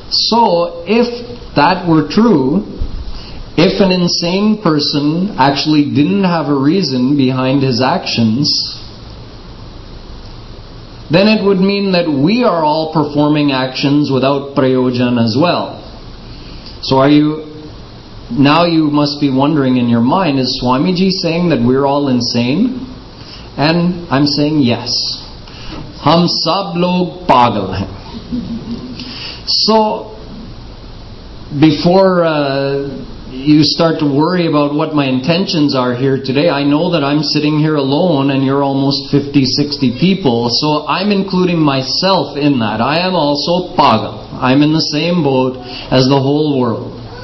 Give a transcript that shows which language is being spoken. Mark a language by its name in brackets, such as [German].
[English] So if that were true, if an insane person actually didn't have a reason behind his actions, then it would mean that we are all performing actions without prayojan as well. So are you, now you must be wondering in your mind, is Swamiji saying that we're all insane? And I'm saying yes. [Hindi] हम सब लोग पागल है। [English] So, before you start to worry about what my intentions are here today, I know that I'm sitting here alone and you're almost 50-60 people, so I'm including myself in that. I am also पागल. I'm in the same boat as the whole world.